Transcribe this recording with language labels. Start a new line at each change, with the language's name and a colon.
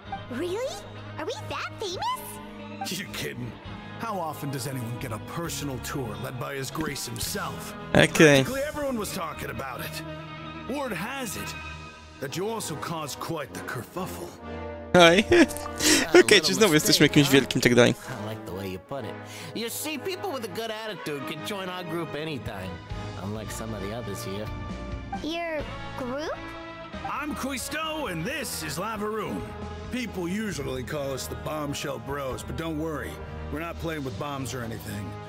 English: Really? Are we that famous? You're kidding. How often does anyone get a personal tour led by His Grace himself? Okay. Practically everyone was talking about it. Word has it that you also caused quite the kerfuffle. Hi.
Polish: Okay, czy znowu jesteśmy jakimś wielkim tak dalej?
English: I like the way you put it. You see, people with a good attitude can join our group anytime, unlike some of the others here. Your group? I'm Quisto, and this is Lavaroon. People usually call us the Bombshell Bros, but don't worry, we're not playing with bombs or anything.